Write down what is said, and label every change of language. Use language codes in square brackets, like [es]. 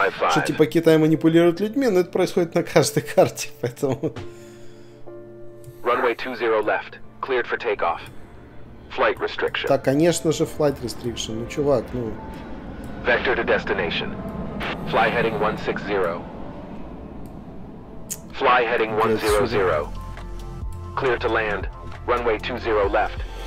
[ru] Что типа Китай манипулирует людьми, но это происходит на каждой карте, поэтому... [en] Runway 20 left, cleared for takeoff. Flight restriction. [ru] Да, конечно же, flight restriction, ну чувак, ну... [en] Vector to destination. Fly heading 160. Fly heading 100. Clear to land. Runway 20 left.